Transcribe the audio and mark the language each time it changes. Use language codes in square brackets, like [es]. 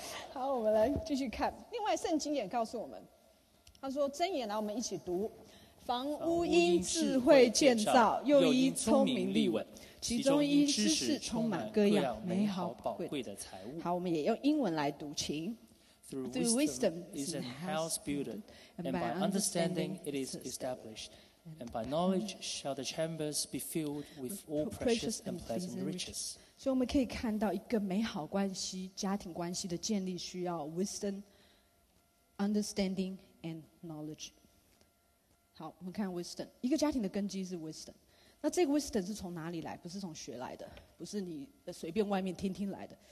[zh] 好，我们来继续看。另外圣经也告诉我们，他说箴言，来我们一起读： 房屋因智慧建造，又因聪明立稳，其中因知识充满各样美好宝贵的财物。好，我们也用英文来读，请。 [en] Through wisdom is a house built, and by understanding it is established. And by knowledge shall the chambers be filled with all precious and pleasant riches. [zh] 所以我们可以看到一个美好关系，家庭关系的建立需要 wisdom, understanding, and knowledge. 好，我们看 wisdom. 一个家庭的根基是 wisdom. 那这个 wisdom 是从哪里来？不是从学来的，不是你随便外面听听来的。